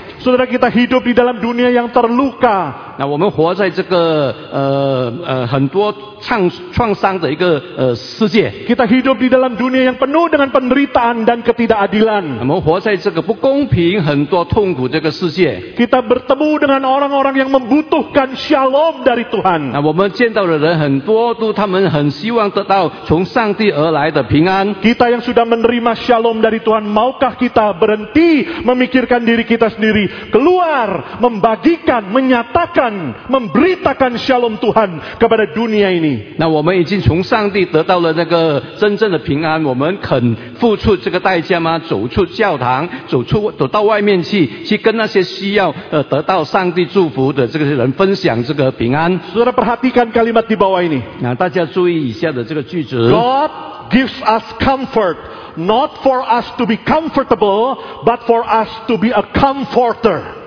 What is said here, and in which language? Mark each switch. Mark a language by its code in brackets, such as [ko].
[id] Saudara, kita hidup di dalam dunia yang terluka. [zh] 那我们活在这个很多创伤的一个世界。 [id] Kita hidup di dalam dunia yang penuh dengan penderitaan dan ketidakadilan. [zh] 我们活在这个不公平、很多痛苦这个世界。 [id] Kita bertemu dengan orang-orang yang membutuhkan shalom dari Tuhan. [zh] 那我们见到的人很多，都他们很希望得到从上帝而来的平安。 [id] Kita yang sudah menerima shalom dari Tuhan, maukah kita berhenti memikirkan diri kita sendiri? Keluar, membagikan, menyatakan, memberitakan shalom Tuhan kepada dunia ini. [zh] Nah, 我们已经从上帝得到了那个真正的平安，我们肯付出这个代价吗？走出教堂，走出，走到外面去，去跟那些需要得到上帝祝福的这个人分享这个平安。 [id] Saudara, perhatikan kalimat di bawah ini. [zh] Nah, 大家注意一下的这个句子。 [en] God gives us comfort. Not for us to be comfortable, but for us to be a comforter.